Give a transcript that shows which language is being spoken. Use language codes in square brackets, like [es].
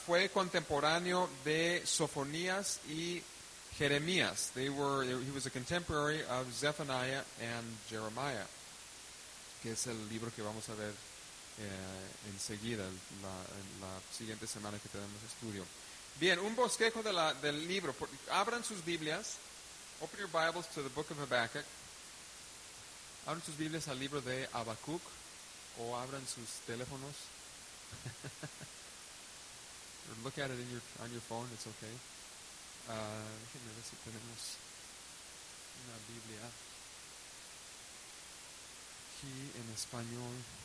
[es] Fue contemporáneo de Sofonías y Jeremías. [en] He was a contemporary of Zephaniah and Jeremiah, [es] que es el libro que vamos a ver enseguida, la siguiente semana que tenemos estudio. Bien, un bosquejo del libro. Abran sus Biblias. [en] Open your Bibles to the book of Habakkuk. [es] Abran sus Biblias al libro de Habacuc, o abran sus teléfonos. [en] Look at it on your phone, it's okay. [es] Déjenme ver si tenemos una Biblia aquí en español.